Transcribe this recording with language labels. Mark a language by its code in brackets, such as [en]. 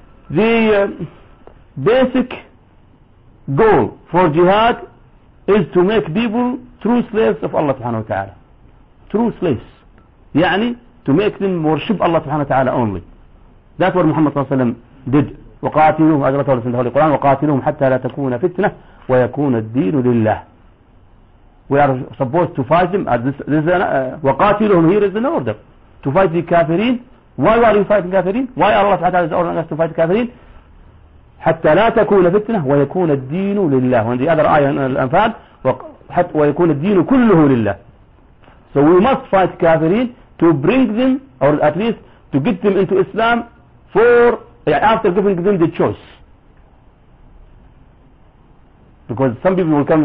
[en] The basic goal for jihad is to make people true slaves of Allah subhanahu wa ta'ala. True slaves. يعني to make them worship Allah subhanahu wa ta'ala only. That's what Muhammad صلى الله عليه وسلم did. [ar] وقاتلوهم حتى لا تكون فتنة ويكون الدين لله. [en] We are supposed to fight them. وقاتلوهم, here is an order. To fight the kafirin. Why are you fighting kafirin? Why Allah تعالى is ordering us to fight kafirin? [ar] حتى لا تكون فتنة ويكون الدين لله. [en] And the other ayah in الأنفال, [ar] ويكون الدين كله لله. [en] So we must fight kafirin to bring them, or at least to get them into Islam. For after giving them the choice, because some people will come.